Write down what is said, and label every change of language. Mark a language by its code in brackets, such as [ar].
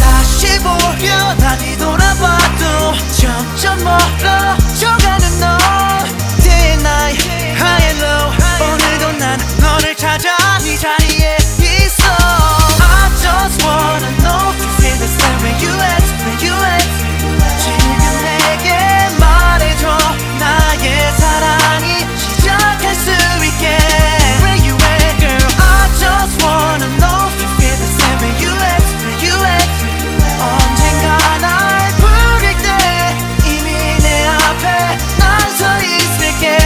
[ko] 다시 보려 다 뒤돌아봐도 점점 멀어져가는 너. [en] Day and night, high and low. [ko] 오늘도 난 너를 찾아 네 자리에 있어. [en] I just wanna know if you feel the same way you at, where you at. [ko] 지금 내게 말해줘. 나의 사랑이 시작할 수 있게. [en] Where you at, girl? I just wanna know if you feel the same way you at, where you at. [ko] 언젠가 날 부를 때 이미 내 앞에 난 서 있을게.